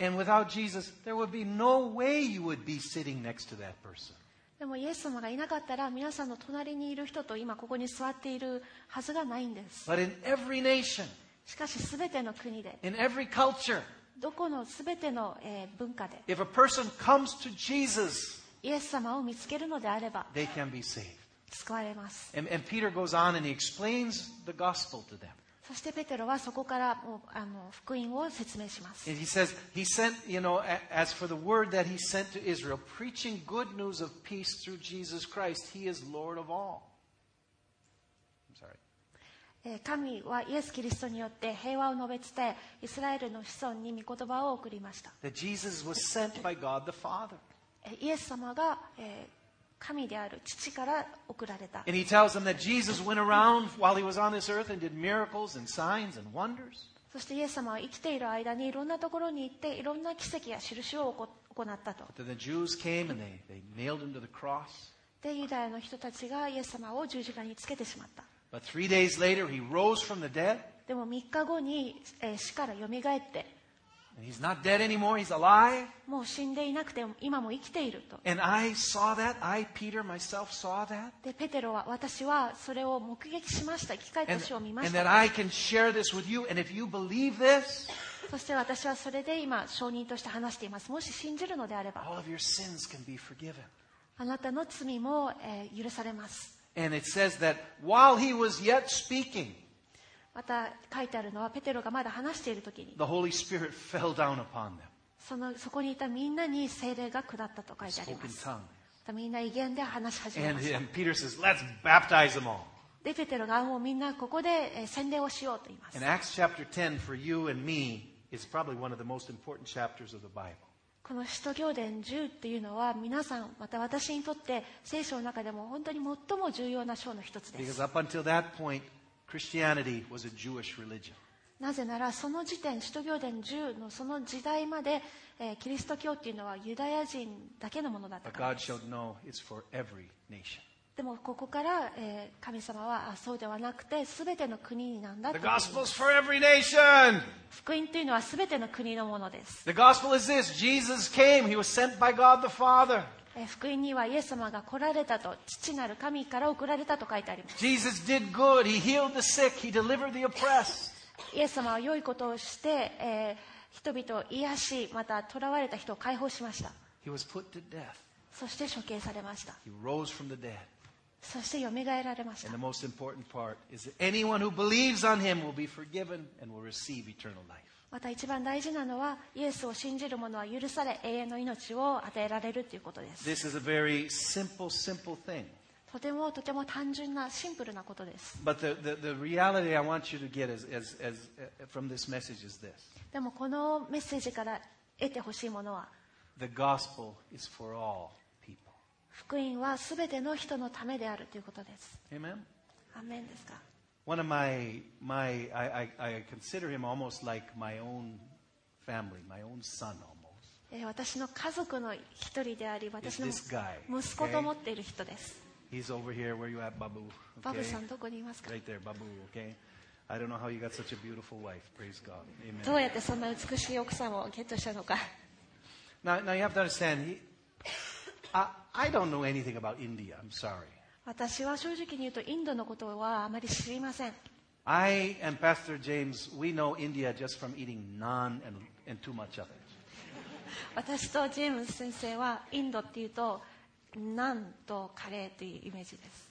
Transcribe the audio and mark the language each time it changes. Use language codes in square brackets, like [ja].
[en] And without Jesus, there would be no way you would be sitting next to that person. [ja] でもイエス様がいなかったら皆さんの隣にいる人と今ここに座っているはずがないんです。 [en] But in every nation, [ja] しかし全ての国で [en] in every culture, [ja] どこの全ての、文化で [en] if a person comes to Jesus, [ja] イエス様を見つけるのであれば [en] they can be saved. [ja] 救われます。 [en] and Peter goes on and he explains the gospel to them. [ja] そしてペテロはそこからもう福音を説明します。 [en] And he says, he sent, you know, as for the word that he sent to Israel, preaching good news of peace through Jesus Christ, he is Lord of all. I'm sorry. [ja] 神はイエス・キリストによって平和を述べ伝え、イスラエルの子孫に御言葉を送りました。 [en] That Jesus was sent by God the Father. [ja] イエス様が神である父から送られた。 [en] And he tells them that Jesus went around while he was on this earth and did miracles and signs and wonders. [ja] そしてイエス様は生きている間にいろんなところに行っていろんな奇跡や印を行ったと。 [en] But then the Jews came and they nailed him to the cross. [ja] で、ユダヤの人たちがイエス様を十字架につけてしまった。 [en] But 3 days later he rose from the dead. [ja] でも3日後に死からよみがえって。 [en] And he's not dead anymore. He's alive. [ja] もう死んでいなくて今も生きていると。 [en] And I saw that. I, Peter, myself saw that. [ja] で、ペテロは私はそれを目撃しました。生き返った死を見ました。 [en] And that I can share this with you. And if you believe this, [ja] そして私はそれで今証人として話しています。もし信じるのであれば、 [en] all of your sins can be forgiven. [ja] あなたの罪も、許されます。 [en] And it says that while he was yet speaking. [ja] また書いてあるのはペテロがまだ話しているときに [en] The Holy Spirit fell down upon them. [ja] そこにいたみんなに聖霊が下ったと書いてあります。またみんな異言で話し始めました。 [en] And Peter says, "Let's baptize them all." [ja] でペテロがもうみんなここで洗礼をしようと言います。 [en] And Acts chapter 10 for you and me is probably one of the most important chapters of the Bible. [ja] この使徒行伝10っていうのは皆さんまた私にとって聖書の中でも本当に最も重要な章の一つです。 [en] Because up until that point,Christianity was a Jewish religion. [ja] なぜならその時点、使徒行伝10のその時代まで、キリスト教っていうのはユダヤ人だけのものだったからです。 [en] But God showed, no, it's for every nation. [ja] でもここから、神様はそうではなくて全ての国になんだと。 [en] The gospel's for every nation. [ja] 福音というのは全ての国のものです。 [en] The gospel is this: Jesus came. He was sent by God the Father. [ja] 福音にはイエス様が来られたと父なる神から送られたと書いてあります。 [en] Jesus did good. He healed the sick. He delivered the oppressed. [ja] イエス様は良いことをして、人々を癒しまた囚われた人を解放しました。 [en] He was put to death. [ja] そして処刑されました。 [en] He rose from the dead. [ja] そして蘇られました。 [en] And the most important part is that anyone who believes on him will be forgiven and will receive eternal life. [ja] また一番大事なのはイエスを信じる者は許され永遠の命を与えられるということです。 [en] This is a very simple, simple thing. [ja] とてもとても単純なシンプルなことです。 [en] But the reality I want you to get as from this message is this. [ja] でもこのメッセージから得てほしいものは [en] The gospel is for all people. [ja] 福音は全ての人のためであるということです。 [en] Amen? [ja] アメンですか。 [en] One of I consider him almost like my own family, my own son almost. [ja] 私の家族の一人であり、私の [en] guy, [ja] 息子と思っている人です。 [en] Okay? He's over here. Where you at, Babu? Okay? [ja] バブさんどこにいますか [en] ？Right there, Babu. Okay. I don't know how you got such a beautiful wife. Praise God. Amen. [ja] どうやってそんな美しい奥さんをゲットしたのか。 [en] Now you have to understand. I don't know anything about India. I'm sorry. [ja] 私は正直に言うとインドのことはあまり知りません。 [en] I and Pastor James, we know India just from eating naan and too much of it. [ja] 私とジェームス先生はインドっていうとナンとカレーというイメージです。